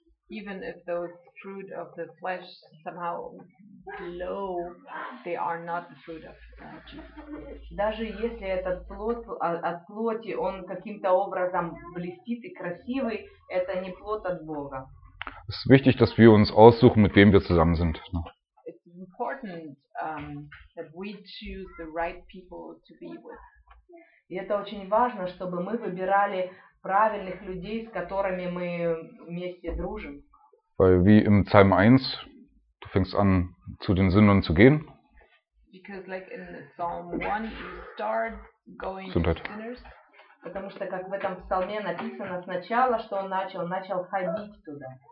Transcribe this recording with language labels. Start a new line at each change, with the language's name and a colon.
English: Even if those fruit of the flesh somehow glow, they are not the fruit of Jesus.
Russian: Даже если этот плод от плоти, он каким-то образом блестит и красивый, это не плод от Бога.
German: Es ist wichtig, dass wir uns aussuchen, mit wem wir zusammen sind.
English: Important that we choose the right people to be with.
Russian: И это очень важно, чтобы мы выбирали правильных людей, с которыми мы вместе дружим.
German: Weil wie im Psalm 1, du fängst an, zu den Sündern zu gehen.
English: Because like in Psalm 1, you start going to sinners.
Russian: Потому что как в этом псалме написано сначала, что он начал ходить туда.